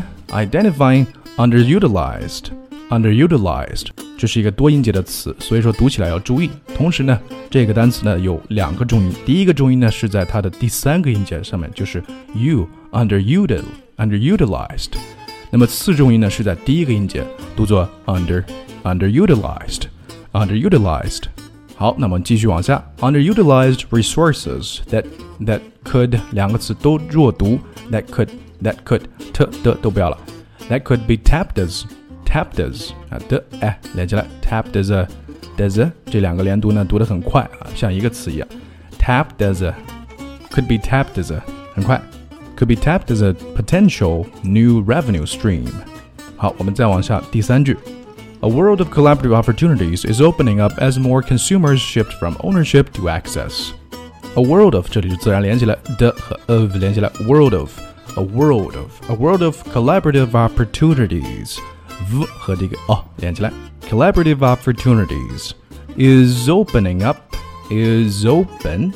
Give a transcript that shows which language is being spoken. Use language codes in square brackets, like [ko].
[en] Identifying underutilized [zh] 这是一个多音节的词，所以说读起来要注意。同时呢，这个单词呢有两个重音，第一个重音呢是在它的第三个音节上面，就是 u。 Underutilized 那么次重音呢是在第一个音节，读作 Underutilized 好，那么继续往下。 [en] Underutilized resources That could [zh] 两个词都弱读 [en] That could [zh] 特的都不要了。 [en] That could be tapped as [zh] 啊的哎连起来 [en] Tapped as a [zh] Does a 这两个连读呢读得很快啊，像一个词一样 [en] Tapped as a Could be tapped as a [zh] 很快 [en] Could be tapped as a potential new revenue stream. [zh] 好，我们再往下第三句。 [en] A world of collaborative opportunities is opening up as more consumers shift from ownership to access. A world of [zh] 这里就自然连起来的和 of 连起来 [en] world of a world of collaborative opportunities. [zh] V 和这个 o 连起来 [en] collaborative opportunities is opening up is open